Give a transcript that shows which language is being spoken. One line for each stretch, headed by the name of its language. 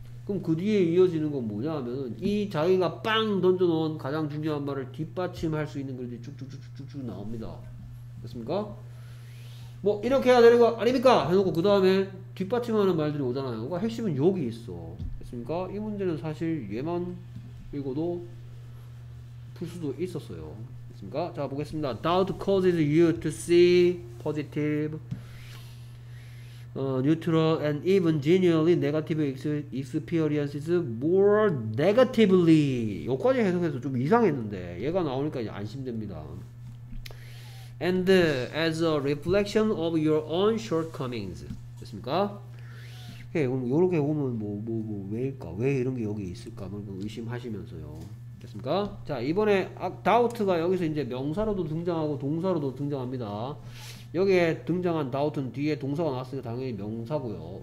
Korean: 그럼 그 뒤에 이어지는 건 뭐냐 하면 이 자기가 빵 던져놓은 가장 중요한 말을 뒷받침할 수 있는 글들이 쭉쭉쭉쭉쭉 나옵니다. 됐습니까? 뭐 이렇게 해야 되는 거 아닙니까? 해놓고 그 다음에 뒷받침하는 말들이 오잖아요. 그러니까 핵심은 여기 있어. 됐습니까? 이 문제는 사실 얘만 읽어도 풀 수도 있었어요. 됐습니까? 자, 보겠습니다.
English: Doubt causes you to see positive, neutral and even genuinely negative experiences more negatively.
Korean: 여기까지 해석해서 좀 이상했는데 얘가 나오니까 이제 안심됩니다.
English: And as a reflection of your own shortcomings.
Korean: 됐습니까? 예, 그럼 요렇게 보면 뭐 왜일까? 왜 이런 게 여기 있을까? 뭐 의심하시면서요. 됐습니까? 자, 이번에 doubt가 여기서 이제 명사로도 등장하고 동사로도 등장합니다. 여기에 등장한 doubt은 뒤에 동사가 나왔으니까 당연히 명사고요.